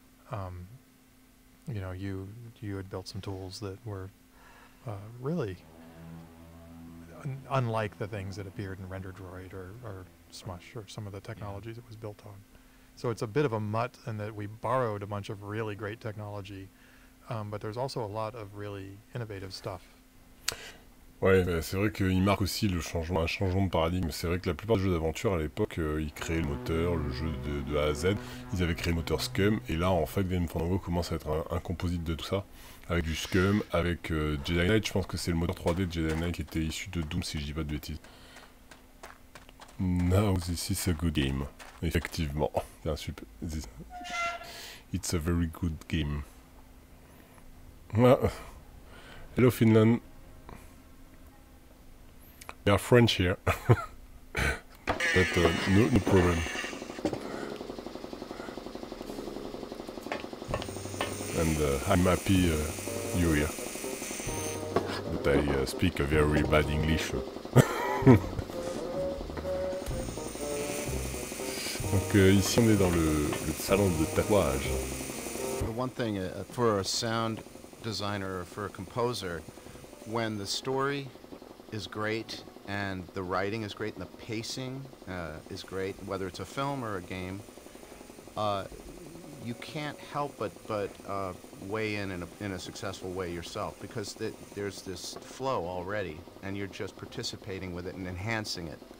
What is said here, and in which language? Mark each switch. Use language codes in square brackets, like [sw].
[en] and you know, you had built some tools that were really unlike the things that appeared in Render Droid or Smush or some of the technologies it was built on. So it's a bit of a mutt in that we borrowed a bunch of really great technology, but there's also a lot of really innovative stuff. [fr] Ouais, mais c'est vrai qu'il marque aussi le changement, un changement de paradigme. C'est vrai que la plupart des jeux d'aventure à l'époque, ils créaient le moteur, le jeu de A à Z. Ils avaient créé le moteur Scum, et là, en fait, Grim Fandango commence à être un composite de tout ça, avec du Scum, avec Jedi Knight. Je pense que c'est le moteur 3D de Jedi Knight qui était issu de Doom, si je dis pas de bêtises. [en] Now this is a good game. [fr] Effectivement. C'est un super... [en] It's a very good game. Ah. Hello Finland. We are French here. But no problem. And I'm happy you're here. But I speak a very bad English. [fr] Donc ici on est dans le salon de tatouage. [en] The one thing for a sound designer or for a composer, when the story is great and the writing is great and the pacing is great, whether it's a film or a game, you can't help but weigh in a successful way yourself, because there's this flow already and you're just participating with it and enhancing it.